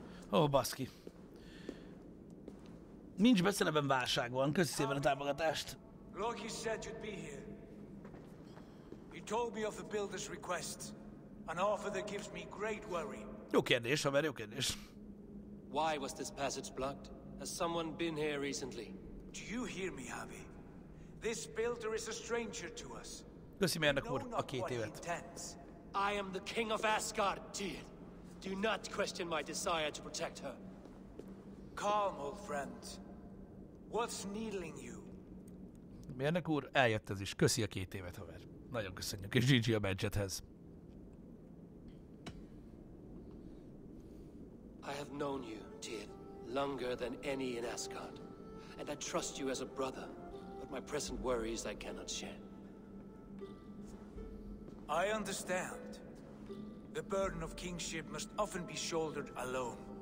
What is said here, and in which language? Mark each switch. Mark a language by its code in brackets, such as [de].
[hu] Ó, baszki. Nincs beszélőben válság van. Köszi szépen a támogatást. [en] Loki said you'd be here. He told me of the builder's request. An offer that gives me great worry. [hu] Jó kérdés, haver, jó kérdés. [en] Why was this passage blocked? Has someone been here recently? Do you hear me, Javi? This builder is a stranger to us. [hu] Köszi mérnök úr a két évet. [en] I am the king of Asgard, dear. Do not question my desire to protect her. Calm, old friend. What's needling you? [hu] Mérnök úr, eljött ez is. Köszi a két évet, haver. Nagyon köszönjük, és GG a badge-ethez. [en] I have known you, dear, longer than any in Asgard. And I trust you as a brother, but my present worries I cannot share. I understand. The burden of kingship must often be shouldered alone.